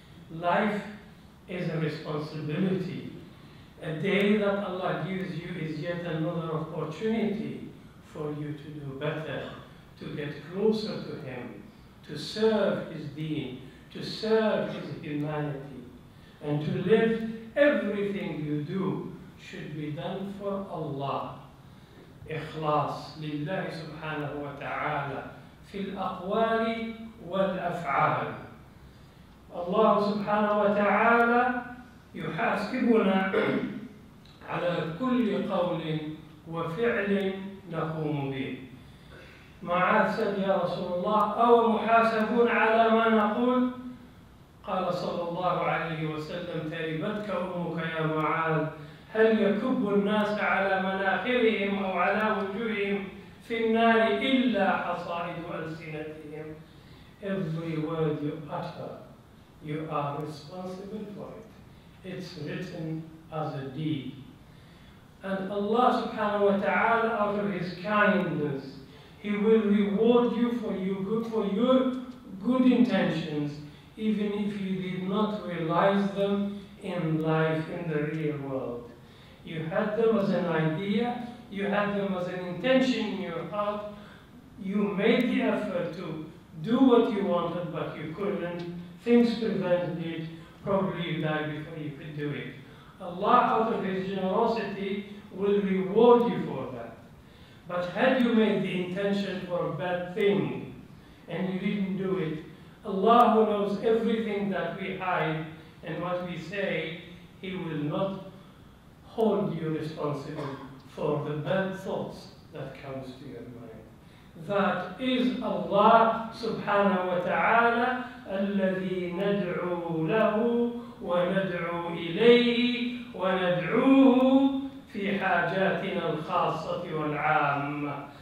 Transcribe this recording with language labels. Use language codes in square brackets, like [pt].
[en] Life is a responsibility. A day that Allah gives you is yet another opportunity for you to do better, to get closer to Him, to serve His deen, to serve His humanity, and to live. Everything you do should be done for Allah. [ar] إخلاص لله سبحانه وتعالى في الأقوال والأفعال. الله سبحانه وتعالى يحاسبنا على كل قول وفعل نقوم به. معاذ يا رسول الله أو محاسبون على ما نقول؟ قال صلى الله عليه وسلم تربتك أمك يا معاذ هل يكب الناس على مناخرهم أو على وجوههم في النار إلا حصائد ألسنتهم. [en] Every word you utter, you are responsible for it. It's written as a deed. And Allah subhanahu wa ta'ala, out of His kindness, He will reward you for your good intentions, even if you did not realize them in life, in the real world. You had them as an idea, you had them as an intention in your heart, you made the effort to do what you wanted, but you couldn't. Things prevented it, probably you died before you could do it. Allah, out of His generosity, will reward you for that. But had you made the intention for a bad thing, and you didn't do it, Allah, who knows everything that we hide and what we say, He will not hold you responsible for the bad thoughts that comes to your mind. That is Allah subhanahu wa ta'ala, [ar] الذي ندعو له وندعو إليه وندعوه في حاجاتنا الخاصة والعامة.